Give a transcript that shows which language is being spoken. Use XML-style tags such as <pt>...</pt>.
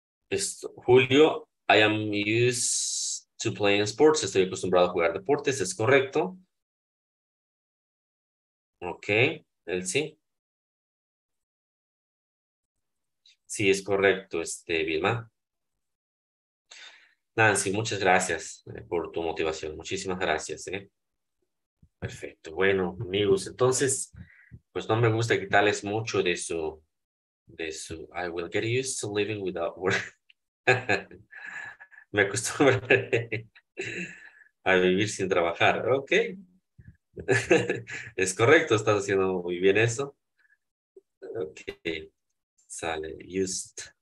<en>Esto, Julio, I am used to playing sports.</en> <es>Estoy acostumbrado a jugar deportes, es correcto. Ok, él sí. Sí, es correcto, Vilma. Nancy, muchas gracias por tu motivación. Muchísimas gracias, ¿eh? Perfecto. Bueno, amigos, entonces, pues no me gusta quitarles mucho de su.</es> <en>I will get used to living without work.</en> <es>Me acostumbraré a vivir sin trabajar. Ok. Es correcto, estás haciendo muy bien eso. Ok. Sale, used.</es>